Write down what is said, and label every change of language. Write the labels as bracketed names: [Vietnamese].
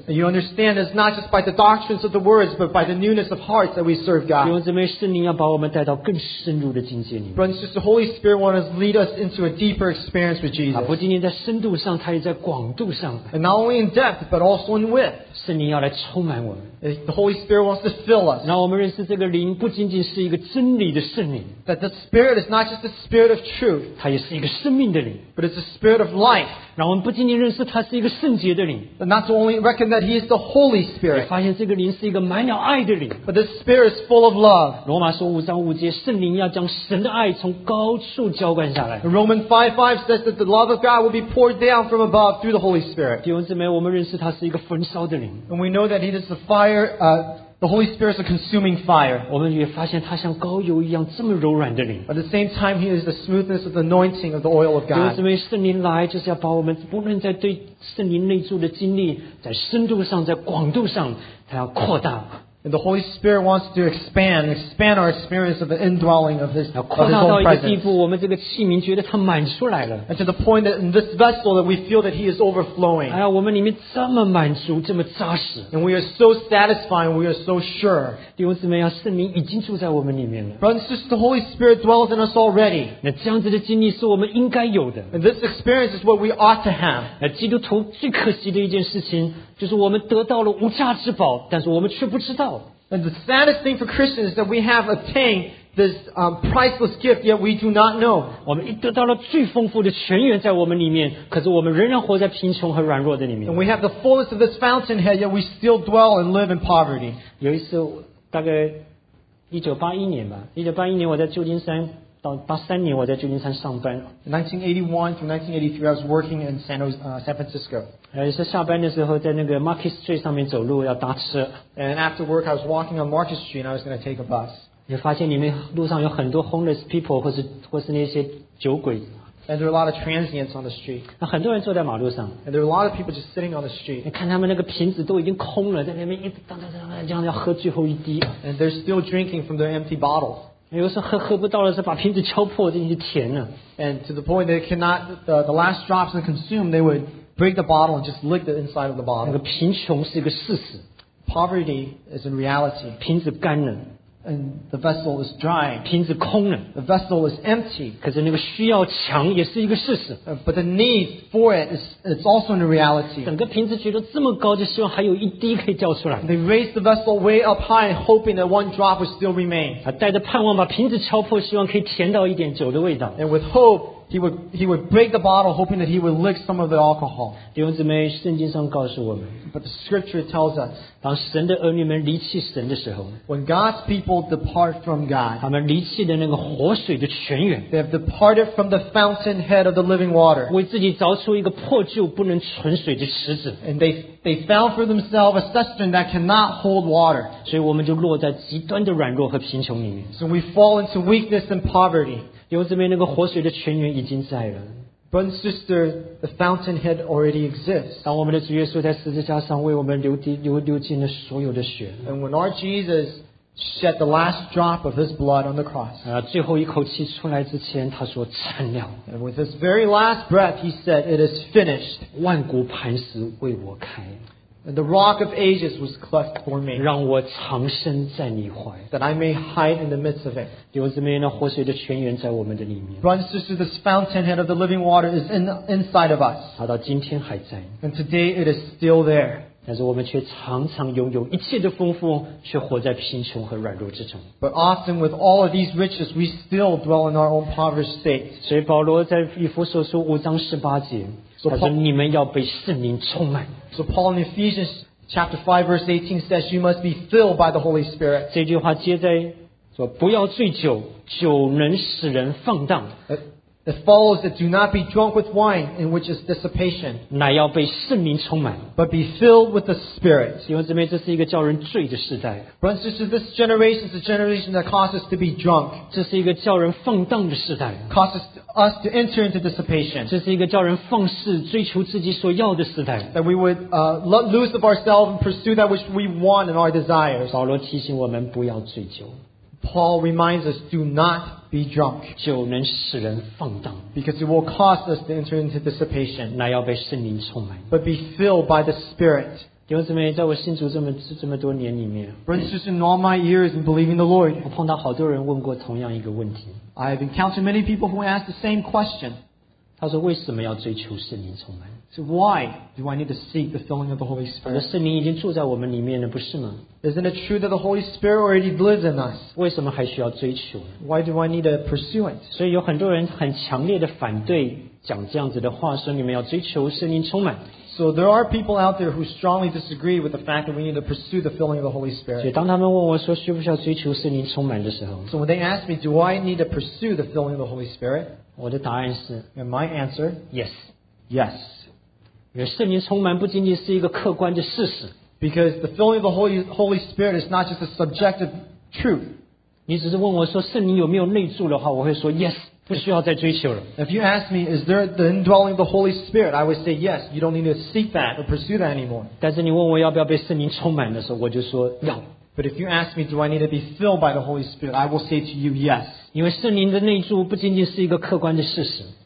[English] and you understand it's not just by the doctrines of the words but by the newness of hearts that we serve God [Chinese] 因为这位圣灵要把我们带到更深入的境界里 [English] Brothers and sisters the Holy Spirit wants to lead us into a deeper experience with Jesus [Chinese] 不仅仅在深度上他也在广度上 [English] and not only in depth but also in width [Chinese] 圣灵要来充满我们 [English] the Holy Spirit wants to fill us [Chinese] 让我们认识这个灵不仅仅是一个真理的圣灵 [English] that the Spirit is not just the Spirit of truth [Chinese] 它也是一个生命的灵 [English] but it's the Spirit of life [Chinese] 让我们不仅仅认识它是一个圣洁的灵 [English] but not to only reckon that he is the Holy Spirit [Chinese] 也发现这个灵是一个满了爱的灵 [English] but the Spirit is full of love [Chinese] 罗马书五章五节圣灵要将神的爱从高处浇灌下来 [English] Romans 5:5 says that the love of God will be poured down from above through the Holy Spirit. [Chinese] 弟兄姊妹，我们认识他是一个焚烧的灵。 [English] And we know that it is the fire, the Holy Spirit is a consuming fire. [Chinese] 我们也发现他像膏油一样这么柔软的灵。 [English] At the same time, he is the smoothness of the anointing of the oil of God. [Chinese] 弟兄姊妹，圣灵来就是要把我们不论在对圣灵内住的经历，在深度上，在广度上，他要扩大。 [English] And the Holy Spirit wants to expand our experience of the indwelling of His own presence. And to the point that in this vessel that we feel that He is overflowing. And we are so satisfied and we are so sure. Brothers and sisters, the Holy Spirit dwells in us already. And this experience is what we ought to have. And [Chinese] 基督徒最可惜的一件事情就是我们得到了无价之宝，但是我们却不知道。 [English] And the saddest thing for Christians is that we have obtained this priceless gift, yet we do not know. [Chinese] 我们得到了最丰富的泉源在我们里面，可是我们仍然活在贫穷和软弱的里面。 [English] And we have the fullness of this fountainhead, yet we still dwell and live in poverty. [Chinese] 有一次，大概1981年我在旧金山。到1983年，我在旧金山上班。 [English] 1981 through 1983, I was working in San Francisco. [Chinese] 有时下班的时候，在那个 Market Street 上面走路，要搭车。 [English] And after work, I was walking on Market Street, and I was going to take a bus. [Chinese] 也发现里面路上有很多 [English] homeless people, [Chinese] 或是那些酒鬼。 [English] And there are a lot of transients on the street. [Chinese] 那很多人坐在马路上。 [English] And there are a lot of people just sitting on the street. [Chinese] 你看他们那个瓶子都已经空了，在那边一直当当当当这样要喝最后一滴。 [English] And they're still drinking from their empty bottles. [Chinese] 有时候喝不到了，是把瓶子敲破进去填呢。 [English] And to the point they cannot the last drops and consume, they would break the bottle and just lick the inside of the bottle. [Chinese] 那个贫穷是一个事实。 [English] Poverty is a reality. [Chinese] 瓶子干了。 [English] And the vessel is dry. [Chinese] 瓶子空了。 [English] The vessel is empty. [Chinese] 可是那个需要强也是一个事实。 [English] But the need for it is also in reality. [Chinese] 整个瓶子举得这么高，就希望还有一滴可以掉出来。 [English] They raise the vessel way up high, hoping that one drop would still remain. [Chinese] 带着盼望把瓶子敲破，希望可以填到一点酒的味道。 [English] And with hope, he would break the bottle, hoping that he would lick some of the alcohol. [Chinese] 弟兄姊妹，圣经上告诉我们。 [English] But the scripture tells us, [Chinese] 当神的儿女们离弃神的时候 [English] when God's people depart from God, [Chinese] 他们离弃的那个活水的泉源 [English] they have departed from the fountainhead of the living water, [Chinese] 为自己凿出一个破旧不能存水的池子 [English] and they found for themselves a cistern that cannot hold water. [Chinese] 所以我们就落在极端的软弱和贫穷里面 [English] so we fall into weakness and poverty. [Chinese] 弟兄姊妹，那个活水的泉源已经在了 [English] But sister, the fountainhead already exists. [Chinese] 当我们的主耶稣在十字架上为我们流尽了所有的血 [English] And when our Jesus shed the last drop of his blood on the cross. [Chinese] 最后一口气出来之前他说成了。 [English] And with his very last breath, he said, it is finished. [Chinese] 万古磐石为我开。 [English] And the rock of ages was cleft for me. [Chinese] 让我藏身在你怀。 [English] That I may hide in the midst of it. [Chinese] 弟兄姊妹呢活水的泉源在我们的里面。 [English] Brothers and sisters, this fountainhead of the living water is inside of us. [Chinese] 它到今天还在。 [English] And today it is still there. [Chinese] 但是我们却常常拥有一切的丰富，却活在贫穷和软弱之中。 [English] But often with all of these riches, we still dwell in our own impoverished state. [Chinese] 所以保罗在以弗所书五章十八节，他说你们要被圣灵充满。 [English] So Paul in Ephesians chapter 5 verse 18 says you must be filled by the Holy Spirit. [Chinese] 这句话接在说不要醉酒，酒能使人放荡。 [English] It follows that do not be drunk with wine in which is dissipation, [Chinese] 乃要被圣灵充满 [English] but be filled with the Spirit. [Chinese] 弟兄姊妹这是一个叫人醉的时代 [English] Brothers and sisters, this generation is a generation that causes us to be drunk. [Chinese] 这是一个叫人放荡的时代 [English] causes us to enter into dissipation. [Chinese] 这是一个叫人放肆追求自己所要的时代 [English] that we would lose of ourselves and pursue that which we want in our desires. [Chinese] 保罗提醒我们不要醉酒 [English] Paul reminds us, do not be drunk. [Chinese] 酒能使人放荡 [English] Because it will cause us to enter into dissipation. [Chinese] 乃要被圣灵充满 [English] But be filled by the Spirit. [Chinese] 弟兄姊妹在我信主这么多年里面 [English] Brothers in all my years in believing the Lord. [Chinese] 我碰到好多人问过同样一个问题 [English] I have encountered many people who ask the same question. [Chinese] 他说为什么要追求圣灵充满 [English] So why do I need to seek the filling of the Holy Spirit? [Chinese] 我的圣灵已经住在我们里面了不是吗 [English] Isn't it true that the Holy Spirit already lives in us? [Chinese] 为什么还需要追求呢? [English] Why do I need to pursue it? [Chinese] 所以有很多人很强烈的反对讲这样子的话，说你们要追求圣灵充满。 [English] So there are people out there who strongly disagree with the fact that we need to pursue the filling of the Holy Spirit. [Chinese] 所以当他们问我说需不需要追求圣灵充满的时候 [English] ，So when they ask me, do I need to pursue the filling of the Holy Spirit? [Chinese] 我的答案是 [English] ，And my answer, yes, yes. [Chinese] 因为圣灵充满不仅仅是一个客观的事实。 [English] Because the filling of the Holy Spirit is not just a subjective truth. [Chinese] 你只是问我说圣灵有没有内住的话，我会说 [English] yes， [Chinese] 不需要再追求了。 [English] If you ask me, is there the indwelling of the Holy Spirit? I would say yes. You don't need to seek that or pursue that anymore. [Chinese] 但是你问我要不要被圣灵充满的时候，我就说要。 [English] But if you ask me, do I need to be filled by the Holy Spirit? I will say to you yes. [Chinese] 因为圣灵的内住不仅仅是一个客观的事实。